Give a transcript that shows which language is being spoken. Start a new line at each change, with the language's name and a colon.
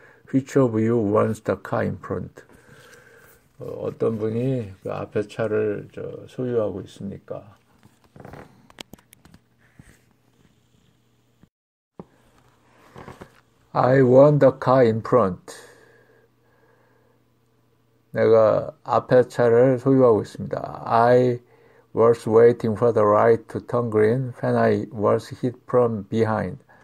English: Which of you wants the car in front?
Korean: 어떤 분이 그 앞에 차를 저 소유하고 있습니까?
English: I want the car in front.
Korean: 내가 앞에 차를 소유하고 있습니다.
English: Was waiting for the right to turn green when I was hit from behind.